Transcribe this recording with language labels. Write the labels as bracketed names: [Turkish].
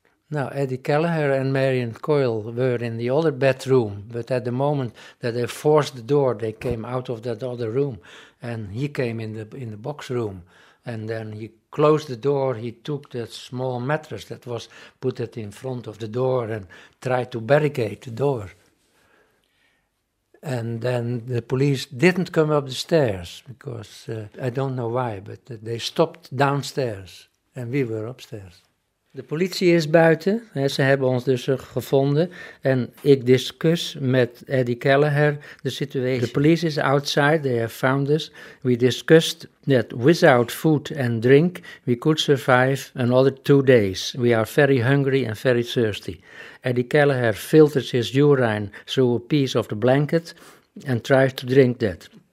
[English] Now, Eddie Kelleher and Marion Coyle were in the other bedroom, but at the moment that they forced the door, they came out of that other room, and he came in the box room, and then he closed the door, he took that small mattress that was put it in front of the door and tried to barricade the door. And then the police didn't come up the stairs because I don't know why, but they stopped downstairs and we were upstairs. [Dutch] De politie is buiten. Hè, ze hebben ons dus gevonden. En ik discuss met Eddie Kelleher de situatie. [English] The police is outside. They have found us. We discussed that without food and drink, we could survive another 2 days. We are very hungry and very thirsty. Eddie Kelleher filters his urine through a piece of the blanket and tries to drink that.